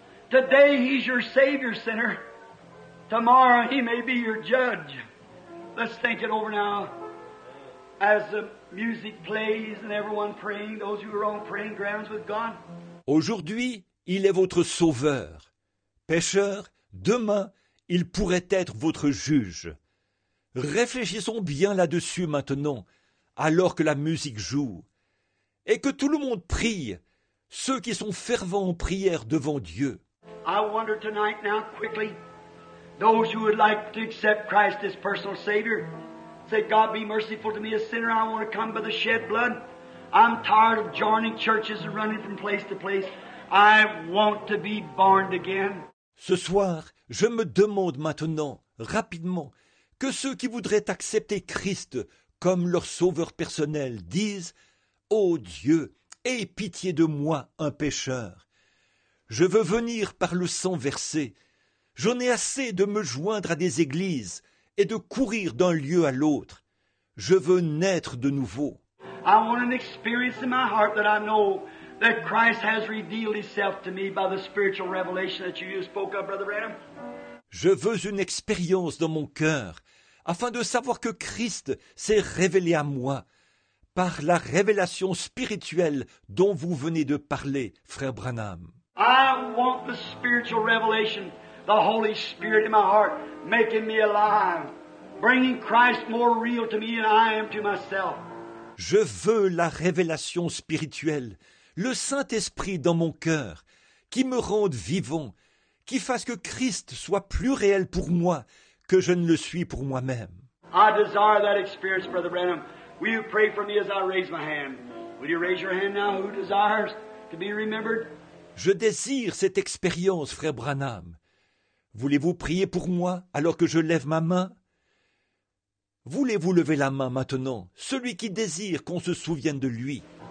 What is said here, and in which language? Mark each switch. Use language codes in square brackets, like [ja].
[en] Today, he's your savior, sinner. Tomorrow, he may be your judge. Let's think it over now. As the music plays and everyone praying, those who are on praying grounds with God. [fr] Aujourd'hui, il est votre sauveur. Pécheur, demain, il pourrait être votre juge. Réfléchissons bien là-dessus maintenant, alors que la musique joue. Et que tout le monde prie, ceux qui sont fervents en prière devant Dieu. [en] I wonder tonight now, quickly, those who would like to accept Christ as personal Savior, say, God be merciful to me, a sinner, I want to come by the shed blood. I'm tired of joining churches and running from place to place. I want to be born again. [fr] Ce soir, je me demande maintenant, rapidement, que ceux qui voudraient accepter Christ comme leur sauveur personnel disent, « Ô Dieu, aie pitié de moi, un pécheur. Je veux venir par le sang versé. J'en ai assez de me joindre à des églises et de courir d'un lieu à l'autre. Je veux naître de nouveau. » [en] I want an experience in my heart that I know that Christ has revealed himself to me by the spiritual revelation that you spoke of, Brother Branham. [fr] Je veux une expérience dans mon cœur afin de savoir que Christ s'est révélé à moi par la révélation spirituelle dont vous venez de parler, Frère Branham. [en] I want the spiritual revelation, the Holy Spirit in my heart, making me alive, bringing Christ more real to me than I am to myself. [fr] Je veux la révélation spirituelle, le Saint-Esprit dans mon cœur, qui me rende vivant, qui fasse que Christ soit plus réel pour moi que je ne le suis pour moi-même. [en] I desire that experience, Brother Branham. Will you pray for me as I raise my hand? Will you raise your hand now? Who desires to be remembered? [fr] Je désire cette expérience, Frère Branham. Voulez-vous prier pour moi alors que je lève ma main? Voulez-vous lever la main maintenant, celui qui désire qu'on se souvienne de lui?